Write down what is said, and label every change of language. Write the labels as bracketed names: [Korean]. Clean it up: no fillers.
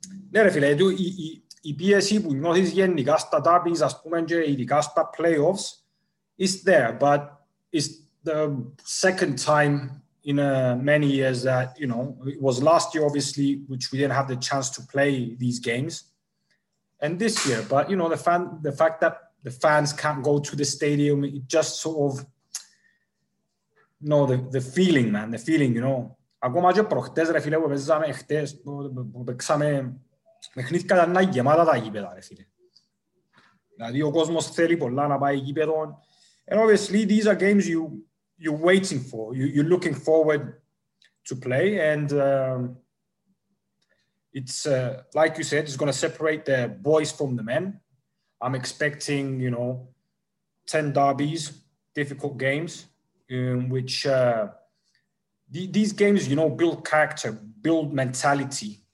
[Greek] Ναι ρε φίλε, η πίεση που νιώθεις γενικά στα derbies, ας πούμε, και ειδικά στα playoffs, [English] is there, but it's the second time in many years that, you know, it was last year, obviously, which we didn't have the chance to play these games, and this year, but, you know, the fact that the fans can't go to the stadium, it just sort of, you know, the feeling, man, the feeling, you know. [Greek] Ακόμα και προχτές, ρε φίλε, που παίζαμε χτες, που παίξαμε, μεχνήθηκα να είναι γεμάτα τα γήπεδα, ρε φίλε. Δηλαδή, ο κόσμος θέλει πολλά να πάει γήπεδο. [English] And obviously, these are games you're waiting for, you're looking forward to play, and it's, like you said, it's going to separate the boys from the men. I'm expecting, you know, 10 derbies, difficult games, in which these games, you know, build character, build mentality.